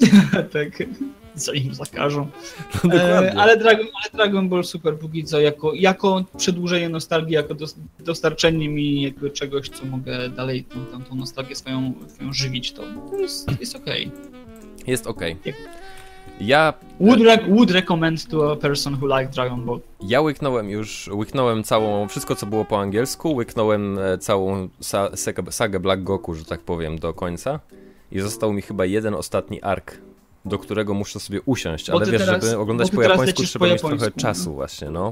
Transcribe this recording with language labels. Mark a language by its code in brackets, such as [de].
[pl] Tak, co im zakażą. No, dokładnie. Ale Dragon Ball Super póki co, jako przedłużenie nostalgii, jako dostarczenie mi jakby czegoś, co mogę dalej tą nostalgię swoją żywić, to jest okej. Jest okej. Okay. Ja... [en] Would recommend to a person who likes Dragon Ball. [pl] Ja łyknąłem całą, wszystko co było po angielsku, łyknąłem całą sagę Black Goku, że tak powiem, do końca. I został mi chyba jeden ostatni ark, do którego muszę sobie usiąść. Ale wiesz, teraz, żeby oglądać po japońsku, trzeba po mieć japońsku, trochę nie? czasu właśnie, no.